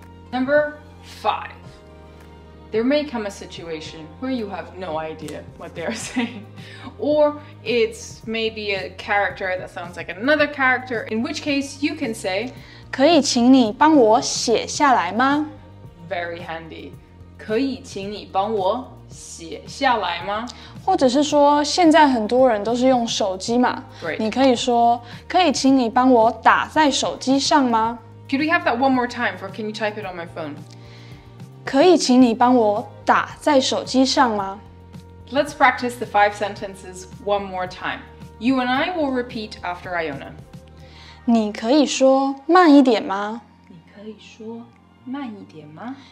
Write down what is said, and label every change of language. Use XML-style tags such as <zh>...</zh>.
<en>Number 5 There may come a situation where you have no idea what they are saying. Or it's maybe a character that sounds like another character, in which case you can say</en> <zh>可以请你帮我写下来吗?</zh> <en>Very handy.</en> <zh>可以请你帮我写下来吗? 或者是说现在很多人都是用手机嘛?</zh> <en>Right.</en> <zh>你可以说可以请你帮我打在手机上吗?</zh> <en>Could we have that one more time or can you type it on my phone?</en> <zh>可以请你帮我打在手机上吗?</zh> <en>Let's practice the 5 sentences one more time. You and I will repeat after Iona.</en> <zh>你可以说慢一点吗? 你可以说慢一点吗?</zh>